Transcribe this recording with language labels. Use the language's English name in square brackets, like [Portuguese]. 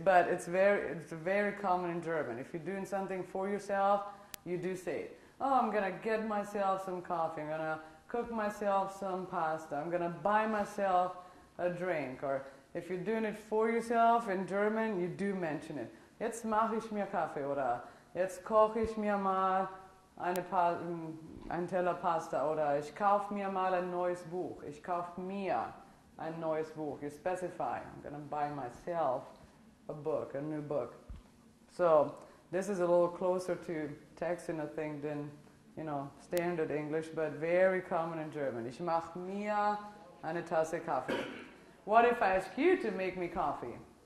[English] But it's very common in German. If you're doing something for yourself, you do say it. Oh, I'm going to get myself some coffee. I'm going to cook myself some pasta. I'm going to buy myself a drink, or if you're doing it for yourself in German, you do mention it. [German] Jetzt mache ich mir Kaffee, oder jetzt koche ich mir mal ein Teller Pasta, oder ich kaufe mir mal ein neues Buch. Ich kaufe mir ein neues Buch. [English] You specify. I'm gonna buy myself a book, a new book. So this is a little closer to Texan, I think, than, you know, standard English, but very common in German. [German] Ich mache mir eine Tasse Kaffee. [English] What if I ask you to make me coffee?